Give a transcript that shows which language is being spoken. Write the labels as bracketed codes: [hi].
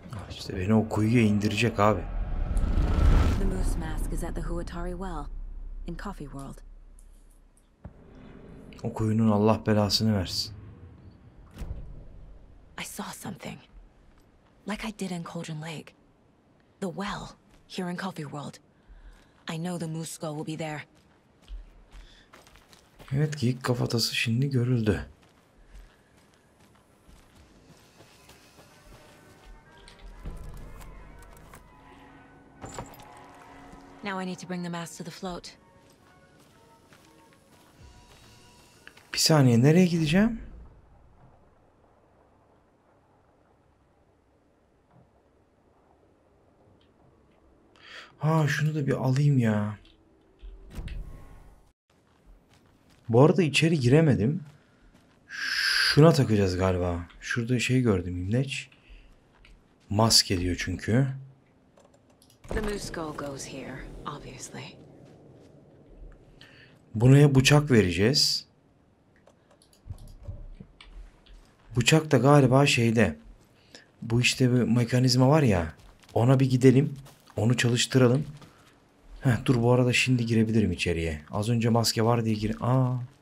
[tr] İşte beni o kuyuya indirecek abi. [en] The moose mask is at the Huatari well in Coffee World. [tr] O kuyunun Allah belasını versin. [en] I saw something. Like I did in Cauldron Lake. The well here in Coffee World. I know the Musco will be there. [tr] Evet, geyik kafatası şimdi görüldü. [en] Now I need to bring the mask to the float. [tr] Bir saniye, nereye gideceğim? Ha, şunu da bir alayım ya. Bu arada içeri giremedim. Şuna takacağız galiba. Şurada şey gördüm, imleç. Maske diyor çünkü. [en] The moose skull goes here, obviously. [tr] Buraya bıçak vereceğiz. Bıçak da galiba şeyde. Bu işte bir mekanizma var ya. Ona bir gidelim. Onu çalıştıralım. Heh, dur bu arada şimdi girebilirim içeriye. Az önce maske var diye girin. Aa.